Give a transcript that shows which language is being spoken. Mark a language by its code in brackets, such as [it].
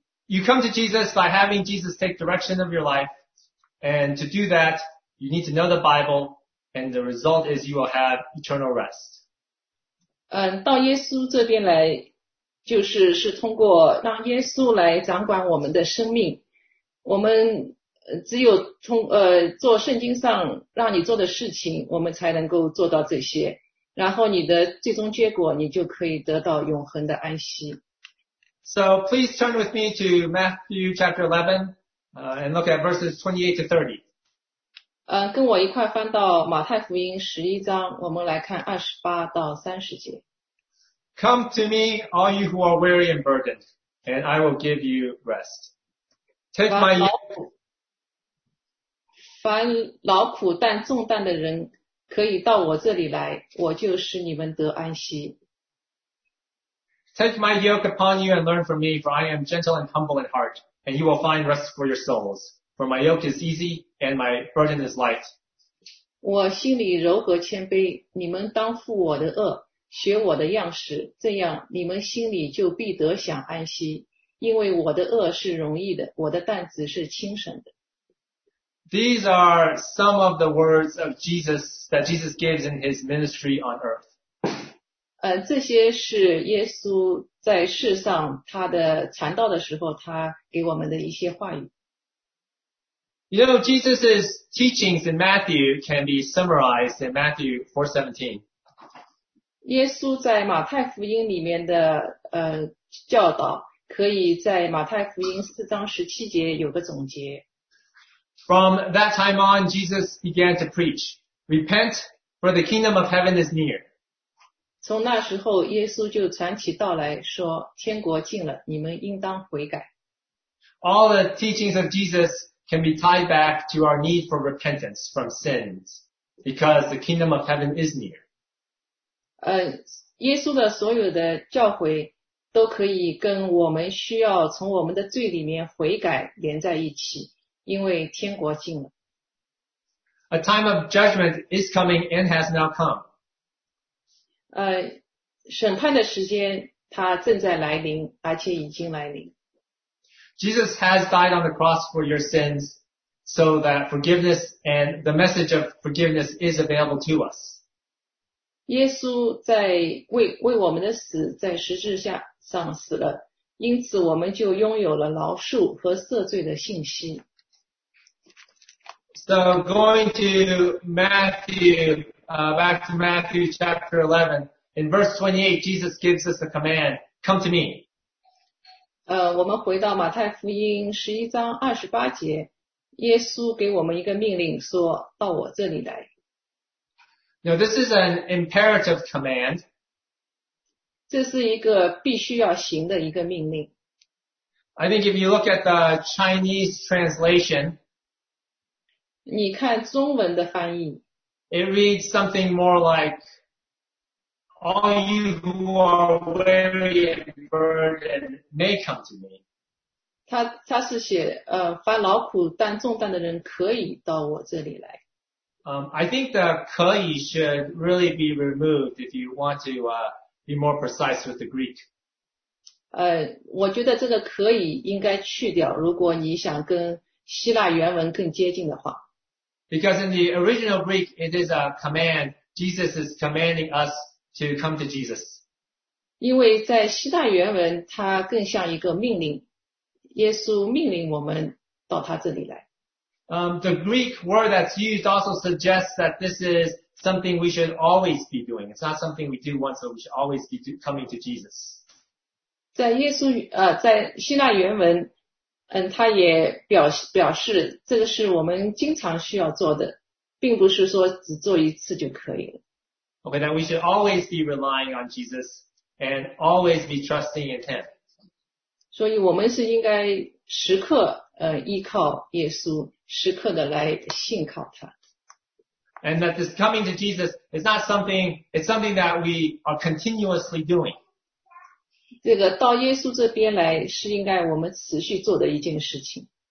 [en] You come to Jesus by having Jesus take direction of your life, and to do that, you need to know the Bible, and the result is you will have eternal rest. [zh] 到耶稣这边来，就是通过让耶稣来掌管我们的生命。我们只有做圣经上让你做的事情，我们才能够做到这些。然后你的最终结果，你就可以得到永恒的安息。 [en] So please turn with me to Matthew chapter 11, and look at verses 28 to 30. [zh] 跟我一块翻到马太福音11章，我们来看28到30节。 [en] Come to me, all you who are weary and burdened, and I will give you rest. Take my yoke. [zh] 凡劳苦但重担的人可以到我这里来，我就使你们得安息。 [en] Take my yoke upon you and learn from me, for I am gentle and humble in heart, and you will find rest for your souls. For my yoke is easy and my burden is light. [zh] 我心里柔和谦卑，你们当负我的轭，学我的样式，这样你们心里就必得享安息，因为我的轭是容易的，我的担子是轻省的。 [en] These are some of the words of Jesus that Jesus gives in his ministry on earth. [zh] 这些是耶稣在世上他的传道的时候他给我们的一些话语。 [en] You know, Jesus' teachings in Matthew can be summarized in Matthew 4:17. [zh] 耶稣在马太福音里面的教导可以在马太福音4章17节有个总结。 [en] From that time on, Jesus began to preach, "Repent, for the kingdom of heaven is near." [zh] 从那时候，耶稣就传起道来说：“天国近了，你们应当悔改。” [en] All the teachings of Jesus can be tied back to our need for repentance from sins, because the kingdom of heaven is near. [zh] 耶稣的所有的教诲都可以跟我们需要从我们的罪里面悔改连在一起。因为天国近了。 [en] A time of judgment is coming and has now come. [zh] 审判的时间它正在来临，而且已经来临。 [en] Jesus has died on the cross for your sins, so that forgiveness and the message of forgiveness is available to us. [zh] 耶稣在为我们的死在十字架上死了，因此我们就拥有了饶恕和赦罪的信息。 [en] So going to Matthew, back to Matthew chapter 11, in verse 28, Jesus gives us a command, come to me. [zh] 我们回到马太福音11章28节，耶稣给我们一个命令说，到我这里来。 [en] Now this is an imperative command. [zh] 这是一个必须要行的一个命令。 [en] I think if you look at the Chinese translation, [zh] 你看中文的翻译， [en] it reads something more like, all you who are weary and burdened may come to me. [zh] 他是写凡劳苦担重担的人可以到我这里来。 [en] I think the 可以 should really be removed if you want to be more precise with the Greek. [zh] 我觉得这个可以应该去掉，如果你想跟希腊原文更接近的话。 [en] Because in the original Greek, it is a command. Jesus is commanding us to come to Jesus. [zh] 因为在希腊原文，它更像一个命令，耶稣命令我们到他这里来。 [en] The Greek word that's used also suggests that this is something we should always be doing. It's not something we do once, but we should always be coming to Jesus. [zh] 在耶稣在希腊原文，它也表示这个是我们经常需要做的，并不是说只做一次就可以了。 [en] Okay, that we should always be relying on Jesus and always be trusting in Him. [zh] 所以我们是应该时刻依靠耶稣。时刻的来信靠他。 [en] And that this coming to Jesus is not something, it's something that we are continuously doing. [zh] 这个到耶稣这边来是应该我们持续做的一件事情。